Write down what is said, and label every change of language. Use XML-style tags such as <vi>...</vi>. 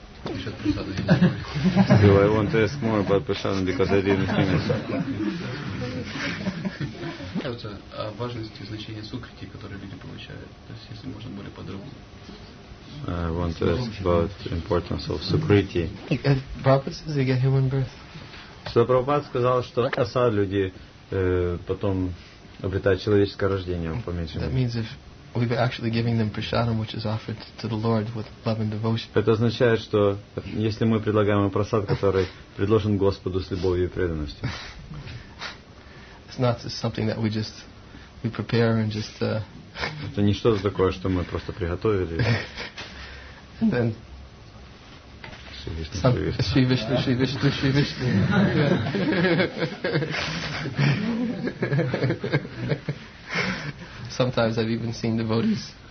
<en>Do I want to ask more about Prasadam because I didn't finish?</en> <ru>О важности и значении сукрити, которые люди получают. То есть, если можно более подробно.</ru> <en>I want to ask about importance of sukriti. Prabhupada says they get human birth.</en> <ru>Что Прабхупада сказал, что асад люди потом обретают человеческое рождение, по меньшей мере.</ru> <en>That means if we're actually giving them prasadam, which is offered to the Lord with love and devotion.</en> <ru>Это означает, что если мы предлагаем просад, который предложен Господу с любовью и преданностью.</ru> <en>It's not just something that we prepare and just.</en> <ru>Это не что-то такое, что мы просто приготовили.</ru> <en>And then.</en> <sa>Shri Vishnu, Shri Vishnu, Shri Vishnu.</sa> <en>Sometimes I've even seen devotees.</en>